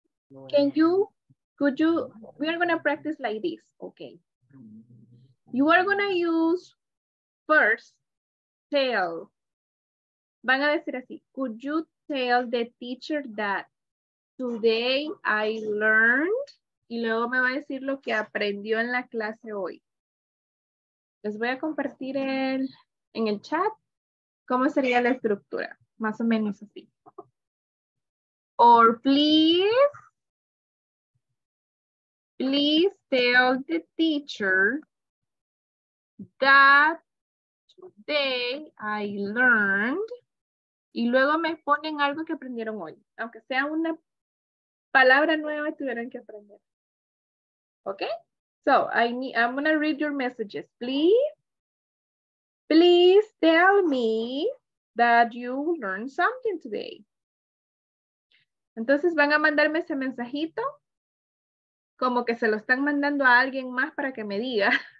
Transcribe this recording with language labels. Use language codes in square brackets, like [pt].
[en] We are going to practice like this, okay? You are going to use first tell. [es] Van a decir así, [en] could you tell the teacher that today I learned? [es] Y luego me va a decir lo que aprendió en la clase hoy. Les voy a compartir en el chat cómo sería la estructura, más o menos así. [en] Or please tell the teacher that today I learned. [es] Y luego me ponen algo que aprendieron hoy. Aunque sea una palabra nueva, tuvieron que aprender. [en] Okay? So, I'm going to read your messages. Please tell me that you learned something today. [es] Entonces, van a mandarme ese mensajito. Como que se lo están mandando a alguien más para que me diga.